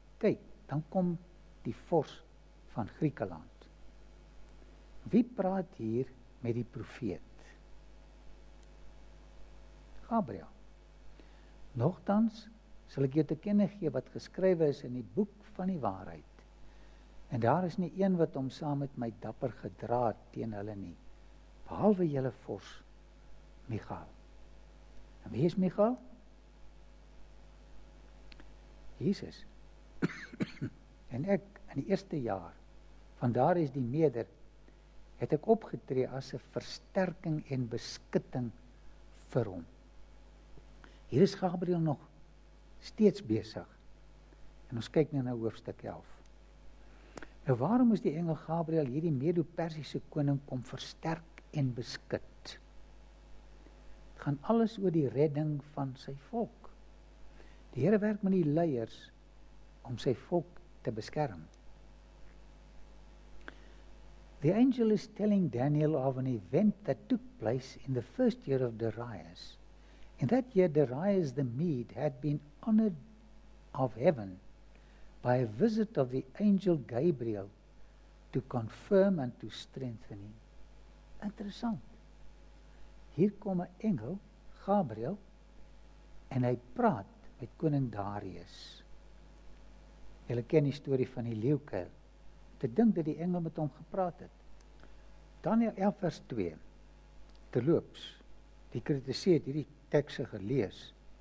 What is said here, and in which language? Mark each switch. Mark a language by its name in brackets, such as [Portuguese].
[Afrikaans] Kyk, dan kom die vors van Griekeland. Wie praat hier met die profeet? Gabriël. Nogtans sal ek jou te kenne gee wat geskrywe is in die boek van die waarheid. En daar is nie een wat hom saam met my dapper gedra het teen hulle nie, behalwe julle vors, Michael. En wie is Michael? Jesus. En ek, in die eerste jaar, van daar is die meder, het ek opgetree as 'n versterking en beskutting vir hom. Hier is Gabriël nog steeds besig. En ons kyk nou na hoofstuk 11. Nou waarom is die engel Gabriël hierdie Medo-Persiese koning kom versterk en beskut? Het gaan alles oor die redding van sy volk. Die Here werk met die leiers om sy volk te beskerm. [English] The angel is telling Daniel of an event that took place in the first year of Darius. In that year, Darius the Mede had been honored of heaven by a visit of the angel Gabriel to confirm and to strengthen him. [Afrikaans] Interessant. Hier kom 'n engel, Gabriel, en hy praat met koning Darius. Julle ken die storie van die leeukuil. Te dink dat die engel met hom gepraat het. Daniel 11 vers 2, terloops, die kritisie het hierdie tekste gelees.